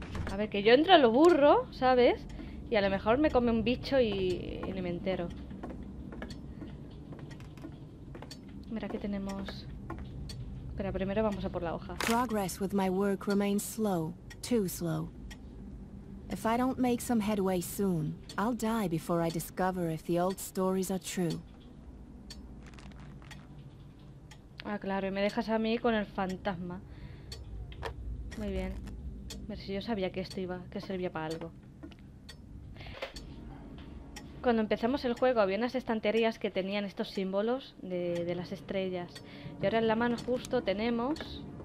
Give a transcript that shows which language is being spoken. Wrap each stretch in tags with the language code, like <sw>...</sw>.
<es>A ver, que yo entro a lo burro, ¿sabes? Y a lo mejor me come un bicho y ni me entero. Mira, aquí tenemos... Pero primero vamos a por la hoja.</es> <en>Progress with my work remains slow, too slow. If I don't make some headway soon, I'll die before I discover if the old stories are true.</en> <es>Ah, claro, y me dejas a mí con el fantasma. Muy bien. A ver, si yo sabía que esto iba, que servía para algo. Cuando empezamos el juego había unas estanterías que tenían estos símbolos de las estrellas. Y ahora en la mano justo tenemos...</es>